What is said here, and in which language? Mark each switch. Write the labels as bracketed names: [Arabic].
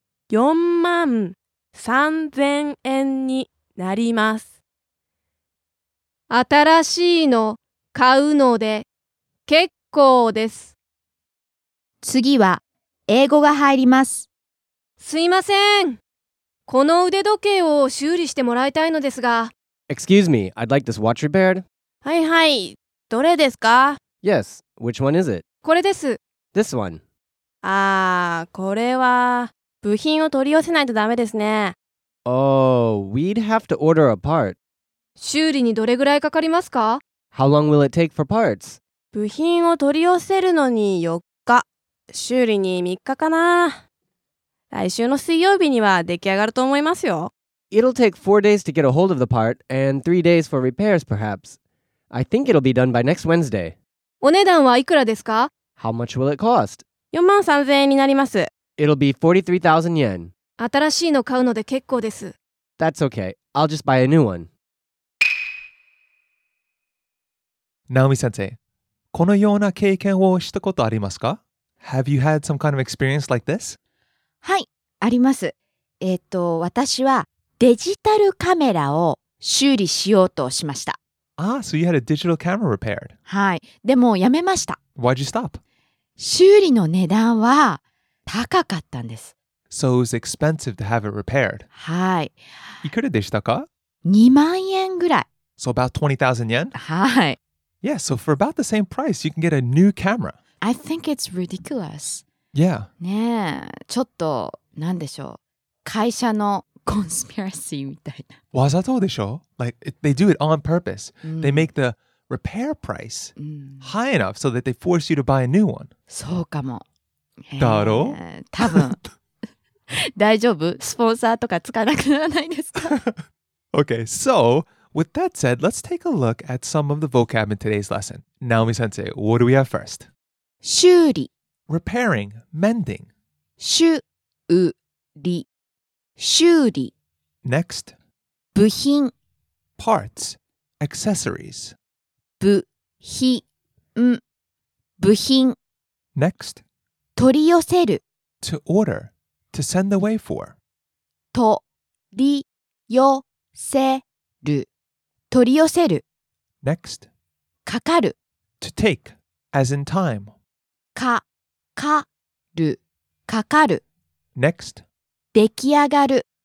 [Japanese] 4万3000円になります。新しいの買うので結構です。次は英語が入ります。すいません。この腕時計を修理してもらいたいのですが。 [English] Excuse me, I'd like this watch repaired. [Japanese] はいはい、どれですか？ [English] Yes, which one is it? [Japanese] これです。 [English] This one. [Japanese] ああ、これは部品を取り寄せないとダメですね。 [English] Oh, we'd have to order a part. [Japanese] 修理にどれぐらいかかりますか? [English] How long will it take for parts? [Japanese] 部品を取り寄せるのに4日、修理に3日かな。来週の水曜日には出来上がると思いますよ。 [English] It'll take 4 days to get a hold of the part and 3 days for repairs perhaps. I think it'll be done by next Wednesday. [Japanese] お値段はいくらですか? [English] How much will it cost? [Japanese] 4万3000円になります。 [English] It'll be 43,000 yen. [Japanese] 新しいの買うので結構です。 [English] That's okay. I'll just buy a new one. [Japanese] Naomi 先生、このような経験をしたことありますか? [English] Have you had some kind of experience like this? [Japanese] はい、あります。私はデジタルカメラを修理しようとしました。 [English] Ah, so you had a digital camera repaired. [Japanese] はい、でもやめました。 [English] Why'd you stop? [Japanese] 修理の値段は高かったんです。 [English] So it was expensive to have it repaired. [Japanese] はい。いくらでしたか? 2万円ぐらい。 [English] So about 20,000 yen? [Japanese] はい。 [English] Yeah, so for about the same price, you can get a new camera. I think it's ridiculous. Yeah. [Japanese] ねえ、ちょっと、なんでしょう。会社のコンスピラシーみたいな。わざとでしょ? Like, they do it on purpose.、うん、they make the repair price、うん、high enough so that they force you to buy a new one. そうかも。だろ? 多分。大丈夫? スポンサーとかつかなくならないですか? [English] Okay, so... With that said, let's take a look at some of the vocab in today's lesson. Naomi-sensei, what do we have first? [Japanese] 修理 [English] Repairing, mending. [Japanese] 修理修理 [English] Next. [Japanese] 部品 [English] Parts, accessories. [Japanese] 部品部品 [English] Next. [Japanese] 取り寄せる [English] To order, to send away for. [Japanese] 取り寄せる取り寄せる [English] Next. [Japanese] かかる [English] To take, as in time. [Japanese] かかるかかる [English] Next. [Japanese] 出来上がる